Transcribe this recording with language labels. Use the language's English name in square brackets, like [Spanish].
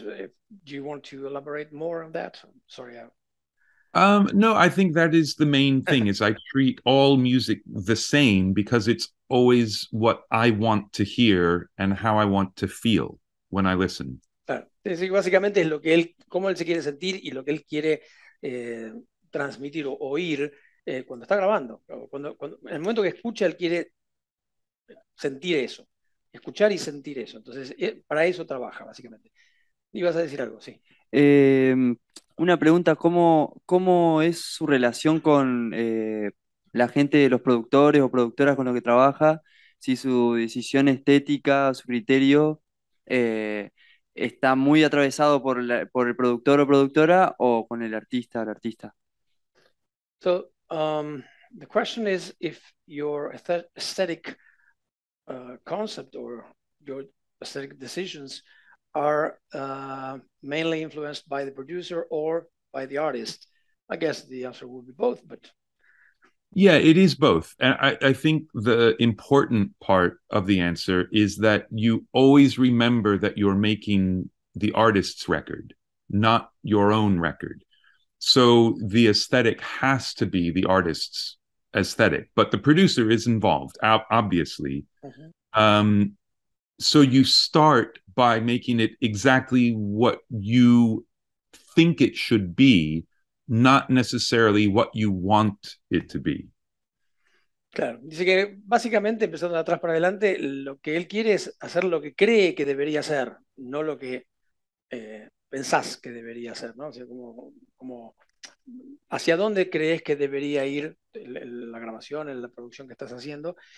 [English] Do you want to elaborate more on that? Sorry. No, I think that is the main thing, is I treat all music the same because it's always what I want to hear and how I want to feel when I listen. [Spanish] Es decir, básicamente es lo que él, cómo él se quiere sentir y lo que él quiere transmitir o oír cuando está grabando. Cuando, en el momento que escucha, él quiere sentir eso. Escuchar y sentir eso. Entonces, para eso trabaja, básicamente. Ibas a decir algo, sí. Una pregunta, ¿cómo es su relación con la gente, los productores o productoras con los que trabaja? Si su decisión estética, su criterio, está muy atravesado por el productor o productora o con el artista o la artista. [English] So, the question is if your aesthetic concept or your aesthetic decisions are mainly influenced by the producer or by the artist. I guess the answer would be both, but... Yeah, it is both. And I think the important part of the answer is that you always remember that you're making the artist's record, not your own record. So the aesthetic has to be the artist's aesthetic, but the producer is involved, obviously. Mm-hmm. So you start by making it exactly what you think it should be, not necessarily what you want it to be. [Spanish] Claro, dice que básicamente, empezando de atrás para adelante, lo que él quiere es hacer lo que cree que debería ser, no lo que pensás que debería ser, ¿no? O sea, como hacia dónde crees que debería ir la grabación, la producción que estás haciendo.